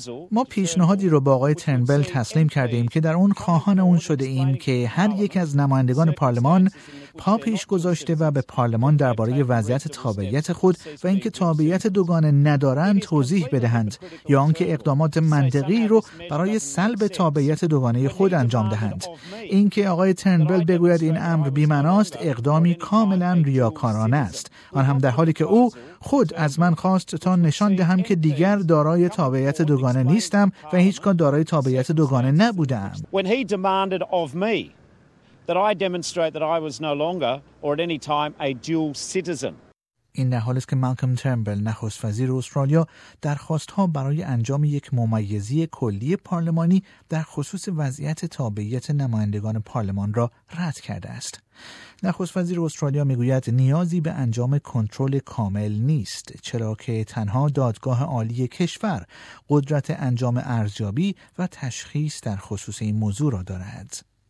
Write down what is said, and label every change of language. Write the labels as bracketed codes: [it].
[fa] ما پیشنهادی رو با آقای ترنبل تسلیم کردیم که در اون خواهان اون شده ایم که هر یک از نمایندگان پارلمان پا پیش گذاشته و به پارلمان درباره وضعیت تابعیت خود و اینکه تابعیت دوگانه ندارن توضیح بدهند یا آنکه اقدامات منطقی رو برای سلب تابعیت دوگانه خود انجام دهند. اینکه آقای ترنبل بگوید این امر بی‌معناست اقدامی کاملا ریاکارانه است، آن هم در حالی که او خود از من خواست تا نشان دهم که دیگر دارای تابعیت دوگانه نیستم و هیچگاه دارای تابعیت دوگانه نبودم. [en] When he demanded of me that I demonstrate that I was no longer or at any time a dual citizen. [fa] این در حالی است که مالکم ترنبل، نخست وزیر استرالیا، درخواست‌ها برای انجام یک ممیزی کلی پارلمانی در خصوص وضعیت تابعیت نمایندگان پارلمان را رد کرده است. نخست وزیر استرالیا میگوید نیازی به انجام کنترل کامل نیست، چرا که تنها دادگاه عالی کشور قدرت انجام ارزیابی و تشخیص در خصوص این موضوع را دارد.